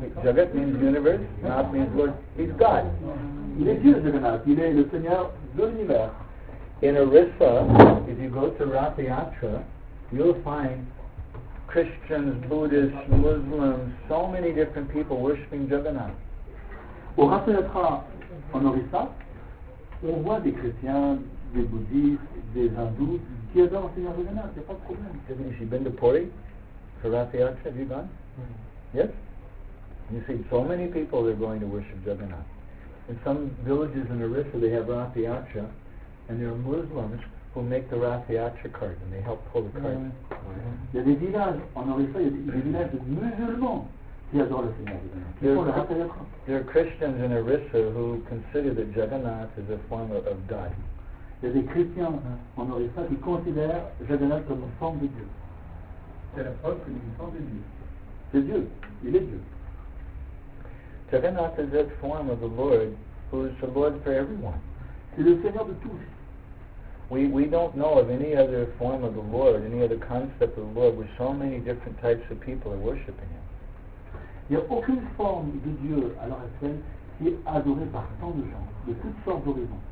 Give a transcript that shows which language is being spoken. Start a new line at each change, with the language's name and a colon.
English: Jagat means universe, Nath means Lord. He's God.
French: Il est Dieu, Jagannath. Il est le Seigneur de l'univers.
English: In Orissa, if you go to Rath Yatra, you'll find Christians, Buddhists, Muslims, so many different people worshipping Jagannath.
French: Au Rath Yatra, en Orissa, on voit des chrétiens, des bouddhistes, des hindous qui adorent le Seigneur Jagannath. Il n'y a pas de problème.
English: Have you been to Puri? To Rath Yatra, have you gone? Yes? You see, so many people are going to worship Jagannath. In some villages in Orissa, they have Rath Yatra, and there are Muslims who make the Rath Yatra cart, and they help pull the cart.
French: Il y a des villages en Orissa, il y a des villages de musulmans qui adorent le Seigneur.
English: There are Christians in Orissa who consider that Jagannath is a form of God.
French: Il y a des chrétiens en Orissa qui considèrent Jagannath comme une forme de Dieu. C'est la preuve que c'est une forme de Dieu. C'est Dieu. Il est Dieu.
English: Jagannath is that form of the Lord who is the Lord for everyone.
French: C'est le Seigneur de tous.
English: We don't know of any other form of the Lord, any other concept of the Lord where so many different types of people are worshipping Him.
French: Il n'y a aucune forme de Dieu à l'heure actuelle qui est adorée par tant de gens, de toutes sortes d'horizons.